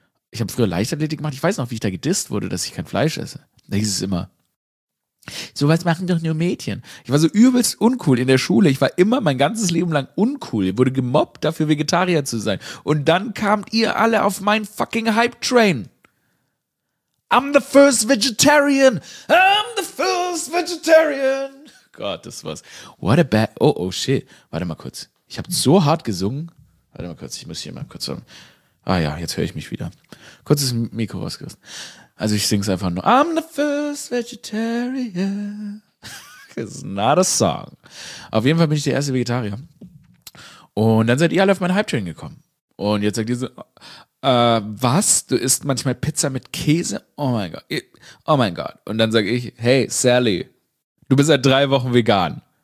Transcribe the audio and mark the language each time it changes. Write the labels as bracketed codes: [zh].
[de] Ich habe früher Leichtathletik gemacht. Ich weiß noch, wie ich da gedisst wurde, dass ich kein Fleisch esse. Da hieß es immer, sowas machen doch nur Mädchen. Ich war so übelst uncool in der Schule. Ich war immer mein ganzes Leben lang uncool. Ich wurde gemobbt, dafür Vegetarier zu sein. Und dann kamt ihr alle auf meinen fucking Hype-Train. [en] I'm the first vegetarian. I'm the first vegetarian. [de] Gott, das war's. [en] What a bad... Oh, shit. [de] Warte mal kurz. Ich habe so hart gesungen. Warte mal kurz, ich muss hier mal kurz... Ah ja, jetzt höre ich mich wieder. Kurzes Mikro rausgerissen. Also ich sing's einfach nur. [en] I'm the first vegetarian. It's not a song. [de] Auf jeden Fall bin ich der erste Vegetarier. Und dann seid ihr alle auf meinen Hype-Train gekommen. Und jetzt sagt ihr so, was? Du isst manchmal Pizza mit Käse? Oh mein Gott. Oh mein Gott. Und dann sage ich, hey Sally, du bist seit 3 Wochen vegan.